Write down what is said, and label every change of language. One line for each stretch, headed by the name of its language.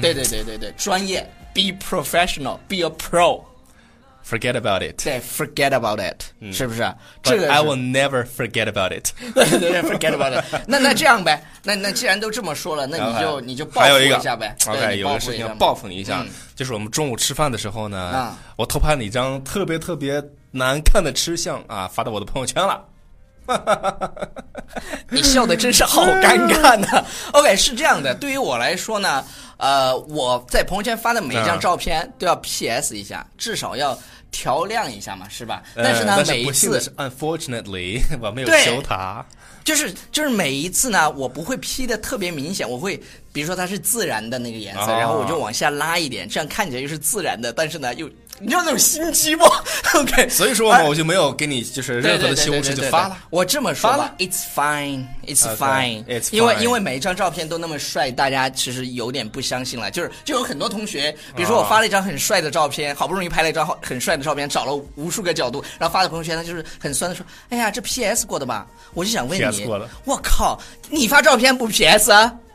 Chinese: 对对对对，专业
English: Be professional, be a pro, forget about it,
Chinese: 对
English: forget about it、
Chinese: 是不是，这个
English: I will never forget about it
Chinese: 对对对
English: forget about it
Chinese: 那这样呗，那既然都这么说了，那你就报复一下呗。 OK， 有个事情要报复你一下、就是我们中午吃饭的时候呢，我偷拍了一张特别特别难看的吃相啊，发到我的朋友圈了。你笑的真是好尴尬呢。 OK， 是这样的，对于我来说呢，我在朋友圈发的每一张照片都要 PS 一下，至少要调亮一下嘛，是吧？但是呢，每一次不幸的是 ，
English: unfortunately，
Chinese: 我没有修它。就是每一次呢，我不会 P 的特别明显，我会比如说它是自然的那个颜色，然后我就往下拉一点，这样看起来又是自然的，但是呢又你知道那种心机不 ？OK，所以说嘛，我就没有给你就是任何的修饰就发了。我这么说吧 ，
English: It's fine, it's fine, okay, it's fine.
Chinese: 因为每一张照片都那么帅，大家其实有点不相信了。就有很多同学，比如说我发了一张很帅的照片，好不容易拍了一张很帅的照片，找了无数个角度，然后发到朋友圈，他就是很酸的说：“哎呀，这 PS 过的吧？” 我就想问你，我靠，你发照片不 PS 啊？